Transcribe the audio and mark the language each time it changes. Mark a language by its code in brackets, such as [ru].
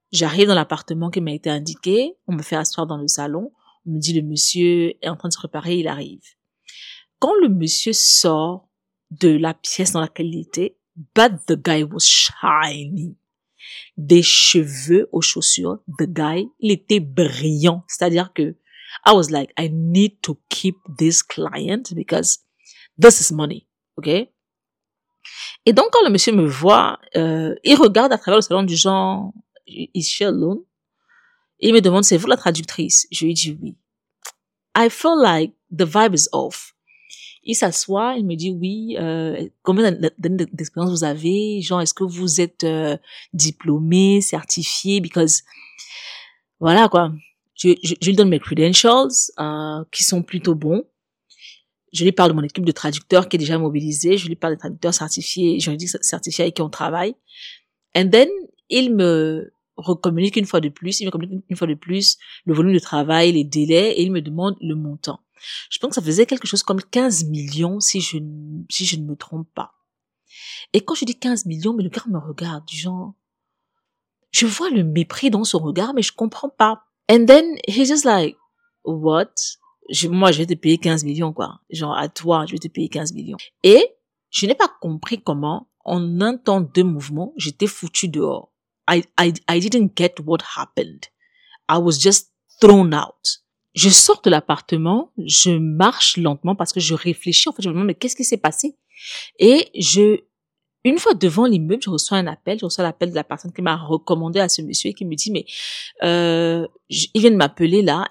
[fr] J'arrive dans l'appartement qui m'a été indiqué, on me fait asseoir dans le salon, on me dit le monsieur est en train de se préparer, il arrive. Quand le monsieur sort de la pièce dans laquelle il était, [en] but the guy was shining. [fr] Des cheveux aux chaussures, [en] the guy, [fr] il était brillant. C'est-à-dire que [en] I was like, I need to keep this client because this is money, okay? [fr] Et donc quand le monsieur me voit, il regarde à travers le salon du genre, [en] is she alone? [fr] Il me demande, c'est vous la traductrice? Je lui dis oui. [en] I feel like the vibe is off. [fr] Il s'assoit, il me dit oui, combien d'années d'expérience vous avez? Genre, est-ce que vous êtes diplômée, certifiée? [en] Because, [fr] voilà quoi. Je lui donne mes credentials, qui sont plutôt bons. Je lui parle de mon équipe de traducteurs qui est déjà mobilisée. Je lui parle des traducteurs certifiés, juridiques certifiés avec qui on travaille. [en] And then, [fr] il me recommunique une fois de plus, le volume de travail, les délais, et il me demande le montant. Je pense que ça faisait quelque chose comme 15 millions, si je ne me trompe pas. Et quand je dis 15 millions, mais le gars me regarde, du genre, je vois le mépris dans son regard, mais je comprends pas. [en] And then, he's just like, what? [fr] Je vais te payer 15 millions, quoi. Genre, à toi, je vais te payer 15 millions. Et, je n'ai pas compris comment, en un temps de mouvement, j'étais foutue dehors. [en] I didn't get what happened. I was just thrown out. [fr] Je sors de l'appartement, je marche lentement parce que je réfléchis. En fait, je me demande, mais qu'est-ce qui s'est passé? Et une fois devant l'immeuble, je reçois un appel. Je reçois l'appel de la personne qui m'a recommandé à ce monsieur et qui me dit, mais il vient de m'appeler là.